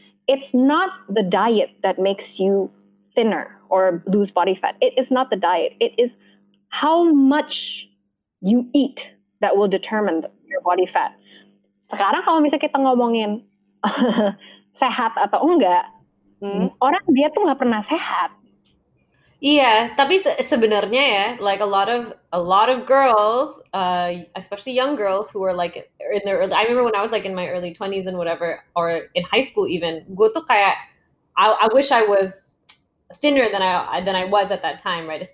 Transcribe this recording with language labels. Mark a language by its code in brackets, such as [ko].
[en] It's not the diet that makes you thinner or lose body fat. It is not the diet. It is how much you eat that will determine your body fat. [id] Sekarang kalau misalnya kita ngomongin sehat atau enggak, orang dia tuh nggak pernah sehat. Iya, tapi sebenarnya ya, [en] like a lot of girls, especially young girls who are like in their early, I remember when I was like in my early 20s and whatever, or in high school even, [id] gue tuh kayak [en] I wish I was thinner than I was at that time, right?